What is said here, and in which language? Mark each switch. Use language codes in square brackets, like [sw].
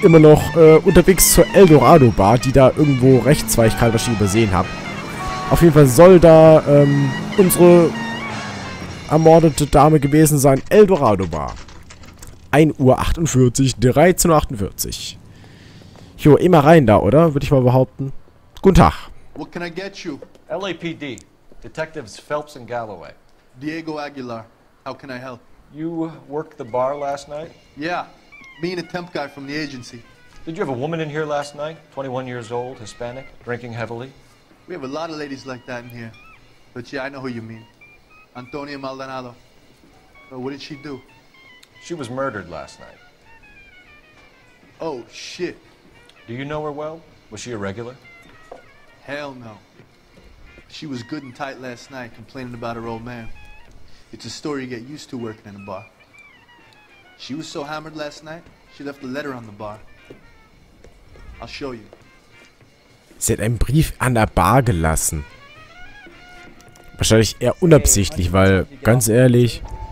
[de] Immer noch unterwegs zur Eldorado Bar, die da irgendwo rechts war, ich gerade wahrscheinlich übersehen habe. Auf jeden Fall soll da unsere ermordete Dame gewesen sein. Eldorado Bar. 1.48 Uhr, 13.48 Uhr. Jo, immer rein da, oder? Würde ich mal behaupten. Guten Tag. [en] What can I get you? LAPD. Detectives Phelps and Galloway. Diego Aguilar. How can I help? You worked the bar last night? Yeah, me and a temp guy from the agency. Did you have a woman in here last night? 21 years old, Hispanic, drinking heavily? We have a lot of ladies like that in here. But yeah, I know who you mean. Antonia Maldonado. But what did she do? She was murdered last night. Oh, shit. Do you know her well? Was she a regular? Hell no. She was good and tight last night, complaining about her old man. It's a story you get used to working in a bar. She was so hammered last night, she left a letter on the bar. I'll show you. [de] Sie hat einen Brief an der Bar gelassen. Wahrscheinlich eher unabsichtlich, weil, ganz ehrlich...